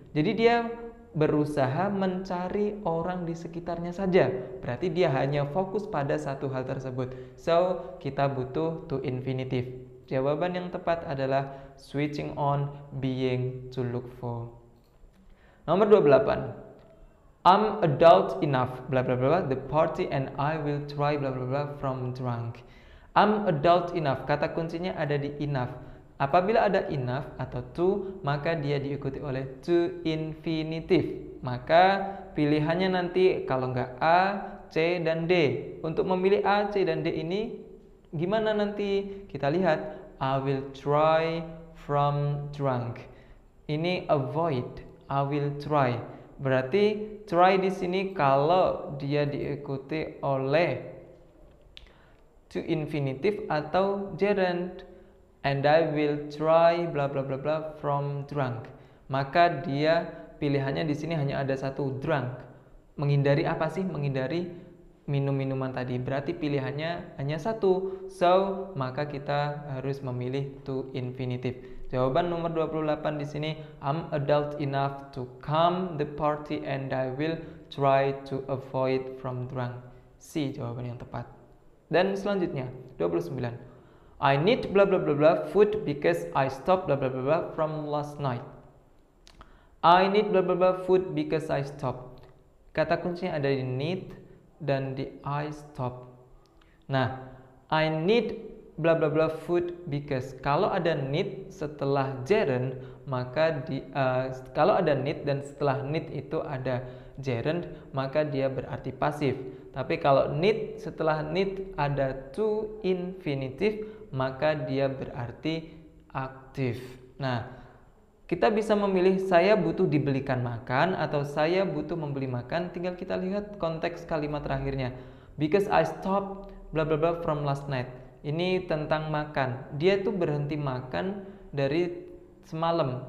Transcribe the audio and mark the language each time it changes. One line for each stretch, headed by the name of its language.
Indonesian: Jadi dia berusaha mencari orang di sekitarnya saja. Berarti dia hanya fokus pada satu hal tersebut. So, kita butuh to infinitive. Jawaban yang tepat adalah switching on being to look for. Nomor 28.
English: I'm adult enough blah blah blah the party and I will try blah blah blah from drunk. I'm adult enough,
Indonesian: kata kuncinya ada di enough. Apabila ada enough atau to, maka dia diikuti oleh to infinitive. Maka pilihannya nanti kalau enggak A, C, dan D. Untuk memilih A, C, dan D ini, gimana nanti? Kita lihat,
English: I will try from drunk.
Indonesian: Ini avoid,
English: I will try.
Indonesian: Berarti try di sini kalau dia diikuti oleh to infinitive atau gerund.
English: And I will try blah blah blah blah from drunk.
Indonesian: Maka dia pilihannya di sini hanya ada satu drunk. Menghindari apa sih? Menghindari minum-minuman tadi. Berarti pilihannya hanya satu. So, maka kita harus memilih to infinitive. Jawaban nomor 28 di sini
English: I'm adult enough to come the party and I will try to avoid from drunk.
Indonesian: C jawaban yang tepat. Dan selanjutnya 29.
English: I need blah blah blah blah food because I stopped blah blah blah blah from last night. I need blah blah blah food because I stopped.
Indonesian: Kata kuncinya ada di need dan di I stop. Nah,
English: I need blah blah blah food because
Indonesian: kalau ada need setelah gerund maka di kalau ada need dan setelah need itu ada gerund maka dia berarti pasif. Tapi kalau need setelah need ada to infinitive maka dia berarti aktif. Nah, kita bisa memilih saya butuh dibelikan makan atau saya butuh membeli makan. Tinggal kita lihat konteks kalimat terakhirnya.
English: Because I stopped blah blah blah from last night.
Indonesian: Ini tentang makan. Dia tuh berhenti makan dari semalam.